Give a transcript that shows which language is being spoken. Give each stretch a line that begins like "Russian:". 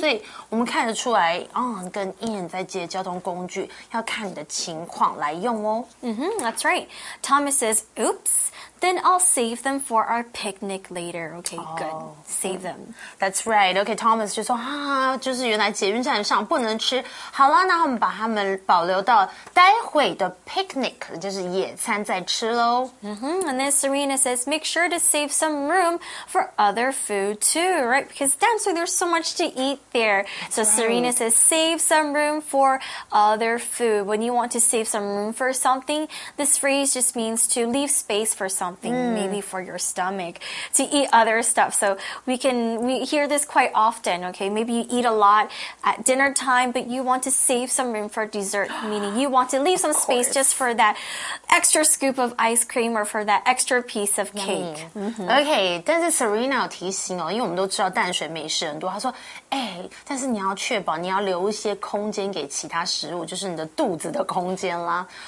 Chinese: 所以我们看得出来 on 跟 in 在接交通工具要看你的情况来用哦。
English: Mm-hmm, that's right. Thomas says, oops. Then I'll save them for our picnic later. Okay, good. Save them.
Chinese: That's right. Okay, Thomas 就说啊，就是原来捷运站上不能吃。好啦，那我们把它们保留到待会的 picnic, 就是野餐再吃咯。 Mm-hmm.
English: And then Serena says, make sure to save some room for other food too, right? Because downstairs there's so much to eat there. Serena says, save some room for other food. When you want to save some room for something, this phrase just means to leave space for something, maybe for your stomach, to eat other stuff. So we hear this quite often, okay? Maybe you eat a lot at dinner time, but you want to save some room for dessert, meaning you want to leave some space just for that extra scoop of ice cream or for that extra piece of cake. Mm-hmm.
Chinese: Okay, 但是 Serena 有提醒哦，因为我们都知道淡水美食很多，她说，哎，但是你要确保你要留一些空间给其他食物，就是你的肚子的空间啦。